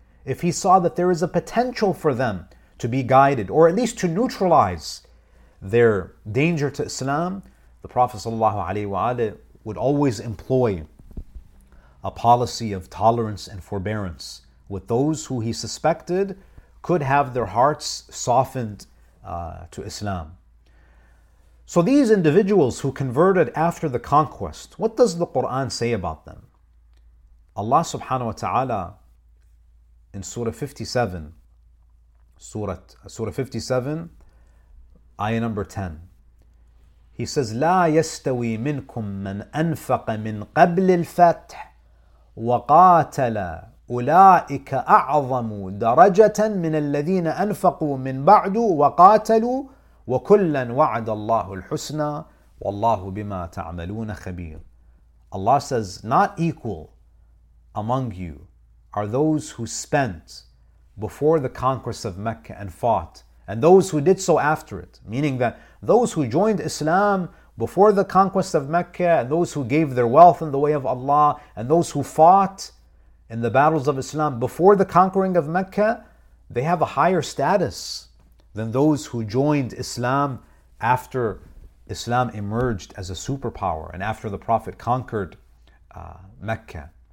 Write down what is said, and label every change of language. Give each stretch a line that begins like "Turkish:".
English: If he saw that there is a potential for them to be guided, or at least to neutralize their danger to Islam, the Prophet ﷺ would always employ a policy of tolerance and forbearance with those who he suspected could have their hearts softened to Islam. So these individuals who converted after the conquest, what does the Qur'an say about them? Allah subhanahu wa ta'ala in Surah 57, ayah number 10, he says,
Arabic: لَا يَسْتَوِي مِنْكُمْ مَنْ أَنْفَقَ مِنْ قَبْلِ الْفَتْحِ وَقَاتَلَ أُولَٰئِكَ أَعْظَمُ دَرَجَةً مِنَ الَّذِينَ أَنْفَقُوا مِنْ بَعْدُ وَقَاتَلُوا وَكُلًّا وَعَدَ اللَّهُ الْحُسْنَى وَاللَّهُ بِمَا تَعْمَلُونَ خَبِيرٌ.
English: Allah says, not equal among you are those who spent before the conquest of Mecca and fought, and those who did so after it, meaning that those who joined Islam before the conquest of Mecca, and those who gave their wealth in the way of Allah, and those who fought in the battles of Islam before the conquering of Mecca, they have a higher status than those who joined Islam after Islam emerged as a superpower and after the Prophet conquered Mecca.